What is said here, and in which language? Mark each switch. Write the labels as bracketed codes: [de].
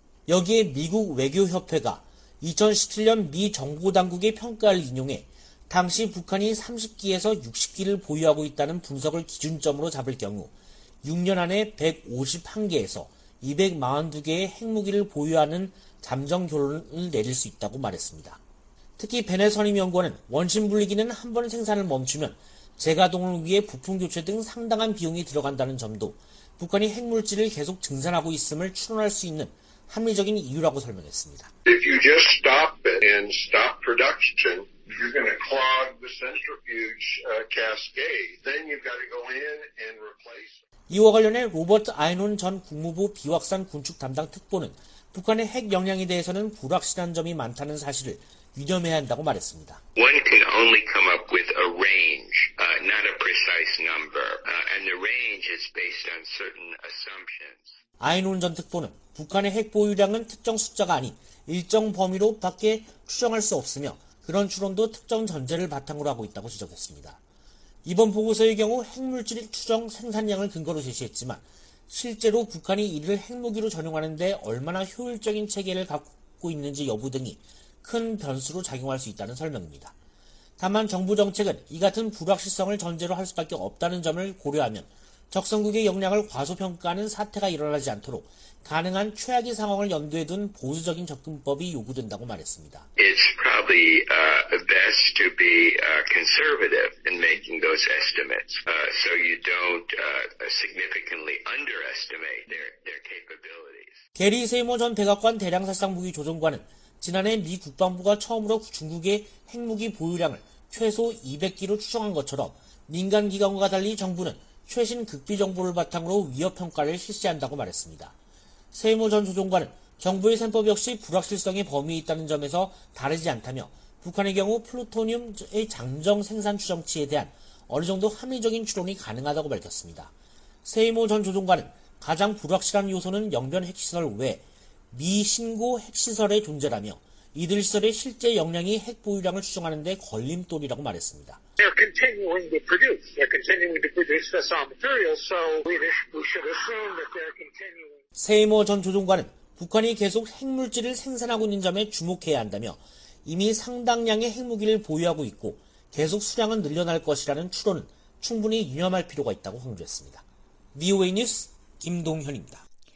[ko] 여기에 미국 외교협회가 2017년 미 정보당국의 평가를 인용해 당시 북한이 30기에서 60기를 보유하고 있다는 분석을 기준점으로 잡을 경우 6년 안에 151개에서 242개의 핵무기를 보유하는 잠정 결론을 내릴 수 있다고 말했습니다. 특히 벤의 선임연구원은 원심불리기는 한 번 생산을 멈추면 재가동을 위해 부품 교체 등 상당한 비용이 들어간다는 점도 북한이 핵물질을 계속 증산하고 있음을 추론할 수 있는 합리적인 이유라고 설명했습니다. [en] If you just stop it and stop production, you're going to clog the centrifuge cascade. Then you've got to go in and replace. [ko] 이와 관련해 로버트 아이논 전 국무부 비확산 군축 담당 특보는 북한의 핵 역량에 대해서는 불확실한 점이 많다는 사실을 유념해야 한다고 말했습니다. [en] One can only come up with a range, not a precise number, and the range is based on certain assumptions. [ko] 아이논 전 특보는 북한의 핵 보유량은 특정 숫자가 아닌 일정 범위로밖에 추정할 수 없으며 그런 추론도 특정 전제를 바탕으로 하고 있다고 지적했습니다. 이번 보고서의 경우 핵물질의 추정 생산량을 근거로 제시했지만 실제로 북한이 이를 핵무기로 전용하는 데 얼마나 효율적인 체계를 갖고 있는지 여부 등이 큰 변수로 작용할 수 있다는 설명입니다. 다만 정부 정책은 이 같은 불확실성을 전제로 할 수밖에 없다는 점을 고려하면 적성국의 역량을 과소평가하는 사태가 일어나지 않도록 가능한 최악의 상황을 염두에 둔 보수적인 접근법이 요구된다고 말했습니다. [en] It's probably best to be conservative in making those estimates so you don't significantly underestimate their capabilities. [ko] 게리 세이머 전 백악관 대량살상 무기 조정관은 지난해 미 국방부가 처음으로 중국의 핵무기 보유량을 최소 200기로 추정한 것처럼 민간 기관과 달리 정부는 최신 극비 정보를 바탕으로 위협 평가를 실시한다고 말했습니다. 세이머 전 조정관은 정부의 셈법 역시 불확실성의 범위에 있다는 점에서 다르지 않다며 북한의 경우 플루토늄의 잠정 생산 추정치에 대한 어느 정도 합리적인 추론이 가능하다고 밝혔습니다. 세이머 전 조정관은 가장 불확실한 요소는 영변 핵시설 외 미 신고 핵시설의 존재라며 이들 시설의 실제 역량이 핵 보유량을 추정하는 데 걸림돌이라고 말했습니다. [en] They're continuing to produce. They're continuing to produce this all material, so we should assume that they're continuing. [ko] 세이머 전 조정관은 북한이 계속 핵물질을 생산하고 있는 점에 주목해야 한다며 이미 상당량의 핵무기를 보유하고 있고 계속 수량은 늘려날 것이라는 추론은 충분히 유념할 필요가 있다고 강조했습니다. VOA 뉴스 김동현입니다.